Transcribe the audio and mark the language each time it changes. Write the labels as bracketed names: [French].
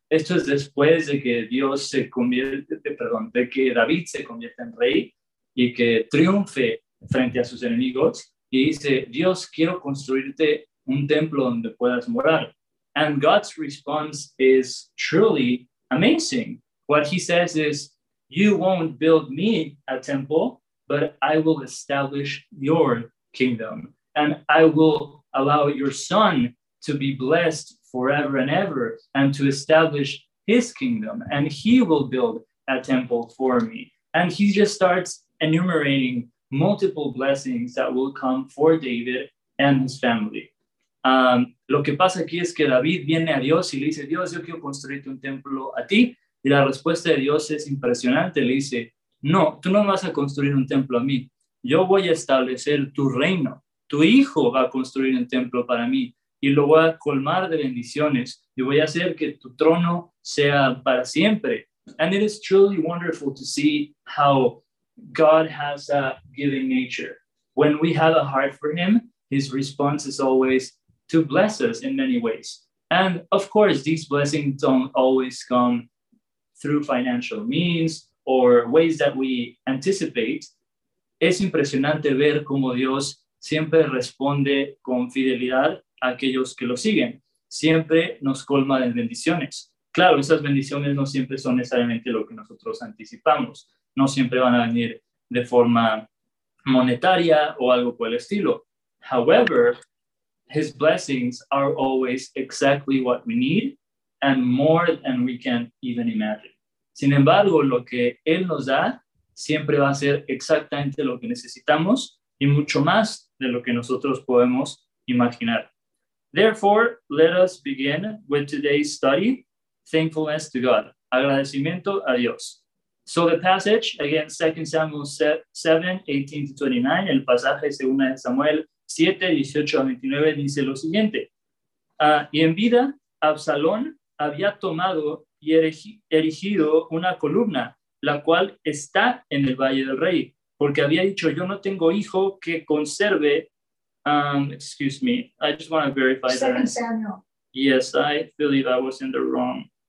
[Spanish] Esto es después de que Dios se convierte, perdón, de que David se convierte en rey y que triunfe frente a sus enemigos. Y dice, Dios, quiero construirte un templo donde puedas morar. [English] And God's response is truly amazing. What he says is, you won't build me a temple, but I will establish your kingdom. And I will allow your son to be blessed forever and ever and to establish his kingdom. And he will build a temple for me. And he just starts enumerating multiple blessings that will come for David and his family. [Spanish] Lo que pasa aquí es que David viene a Dios y le dice, Dios, yo quiero construirte un templo a ti. Y la respuesta de Dios es impresionante. Le dice, no, tú no vas a construir un templo a mí. Yo voy a establecer tu reino. Tu hijo va a construir un templo para mí y lo voy a colmar de bendiciones y voy a hacer que tu trono sea para siempre. [English] And it is truly wonderful to see how God has a giving nature. When we have a heart for him, his response is always to bless us in many ways. And of course, these blessings don't always come through financial means or ways that we anticipate. [Spanish] Es impresionante ver cómo Dios siempre responde con fidelidad a aquellos que lo siguen. Siempre nos colma de bendiciones. Claro, esas bendiciones no siempre son necesariamente lo que nosotros anticipamos. No siempre van a venir de forma monetaria o algo por el estilo. [English] However, his blessings are always exactly what we need and more than we can even imagine. [Spanish] Sin embargo, lo que él nos da siempre va a ser exactamente lo que necesitamos y mucho más de lo que nosotros podemos imaginar. [English] Therefore, let us begin with today's study, Thankfulness to God. [Spanish] Agradecimiento a Dios. [English] So the passage, again, 2 Samuel 7, 18 to 29, [Spanish] el pasaje [English] 2 Samuel [Spanish] 7, 18 a 29 dice lo siguiente. Y en vida, Absalón había tomado y erigido una columna, la cual está en el Valle del Rey, porque había dicho, yo no tengo hijo que conserve, [English] excuse me, I just want to verify that. 2 Samuel. Yes, I believe I was in the wrong.